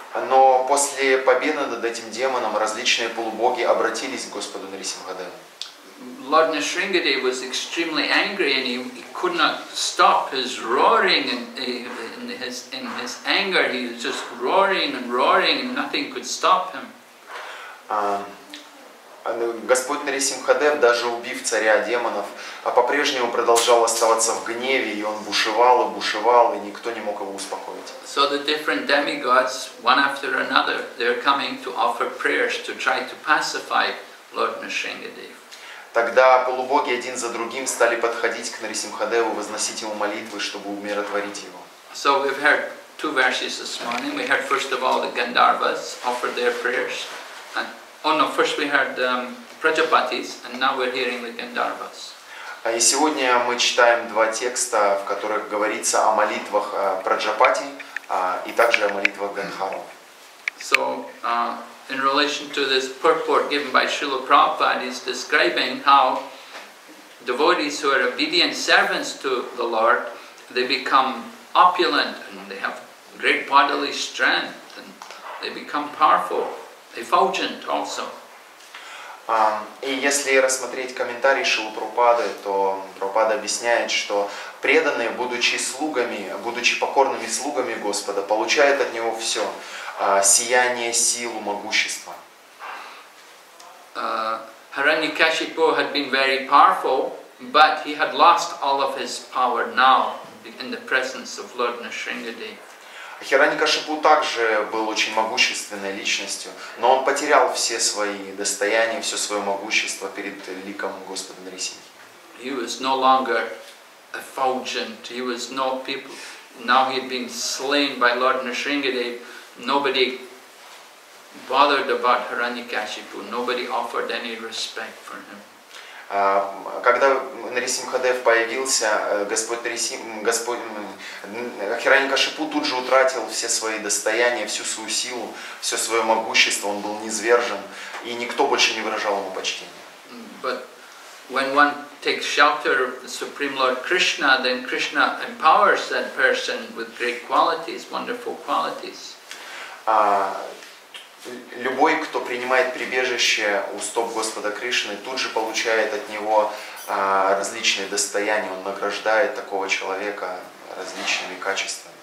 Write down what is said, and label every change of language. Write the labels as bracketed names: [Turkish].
[Russian] Но после победы над этим демоном различные полубоги обратились к Господу Нрисимхадеву. [English] Lord Nrisimhadev was extremely angry, and he could not stop his roaring in his anger. He was just roaring, and nothing could stop him. [Russian] Господь Нрисимхадев, даже убив царя демонов, а по-прежнему продолжал оставаться в гневе, и он бушевал, и никто не мог его успокоить. [English] So the different demigods, one after another, they're coming to offer prayers to try to pacify Lord Nrisimhadev. [Russian] Тогда полубоги один за другим стали подходить к Нрисимхадеву, возносить ему молитвы, чтобы умиротворить его. [English] So we've heard two verses this morning. We heard first of all the Gandharvas offer their prayers. First we heard Prajapatis, and now we're hearing the Gandharvas. [Russian] И сегодня мы читаем два текста, в которых говорится о молитвах Праджапати, и также о молитвах Гандхару. [English] So, in relation to this purport given by Srila Prabhupada, he's describing how devotees who are obedient servants to the Lord, they become opulent, and they have great bodily strength, and they become powerful, effulgent also. [Russian] И если рассмотреть комментарий Шрилы Прабхупады, то Прабхупада объясняет, что преданные, будучи покорными слугами Господа, получают от Него все – сияние, силу, могущество. [English] Hiranyakashipu had been very powerful, but he had lost all of his power now in the presence of Lord Nrisimhadev. [Russian] Хираньякашипу также был очень могущественной личностью, но он потерял все свои достояния, все свое могущество перед ликом Господа Нрисимхи. [English] He was no longer effulgent. He was no people. Now he had been slain by Lord Nrisimhadev. Nobody bothered about Hiranyakashipu. Nobody offered any respect for him. [Russian] Когда Нрисимхадев появился, Господь Хираньякашипу тут же утратил все свои достояния, всю свою силу, все свое могущество, он был низвержен, и никто больше не выражал ему почтения. [English] But when one takes shelter of the Supreme Lord Krishna, then Krishna empowers that person with great qualities, wonderful qualities. [Russian] Любой, кто принимает прибежище у стоп Господа Кришны, тут же получает от него различные достояния. Он награждает такого человека различными качествами.